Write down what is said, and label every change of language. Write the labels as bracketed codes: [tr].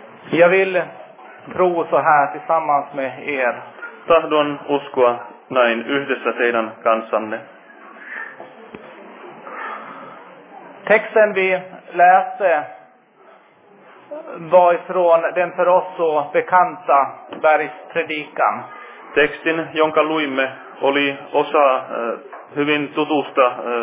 [sv] Jag vill tro så här tillsammans med er. [fi] Tahdon uskoa näin yhdessä teidän kanssanne. [sv] Texten vi läste var ifrån den för oss så bekanta bergspredikan. [fi] Textin, jonka luimme, oli osa hyvin tutusta